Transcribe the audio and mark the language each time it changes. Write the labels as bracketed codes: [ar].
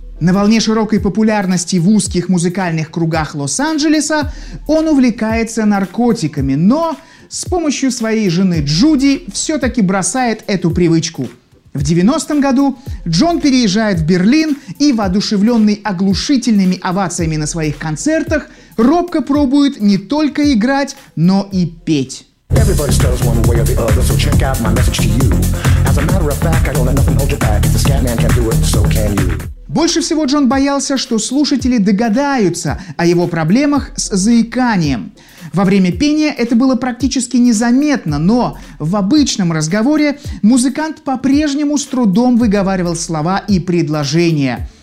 [ru] На волне широкой популярности в узких музыкальных кругах Лос-Анджелеса он увлекается наркотиками, но с помощью своей жены Джуди все-таки бросает эту привычку. В 90-м году Джон переезжает в Берлин и, воодушевленный оглушительными овациями на своих концертах, робко пробует не только играть, но и петь. [en] Everybody stutters one way or the other, so check out my message to you. As a matter of fact, I don't let nothing hold you back. If the scat man can do it, so can you. [ru] Больше всего Джон боялся, что слушатели догадаются о его проблемах с заиканием. Во время пения это было практически незаметно, но в обычном разговоре музыкант по-прежнему с трудом выговаривал слова и предложения.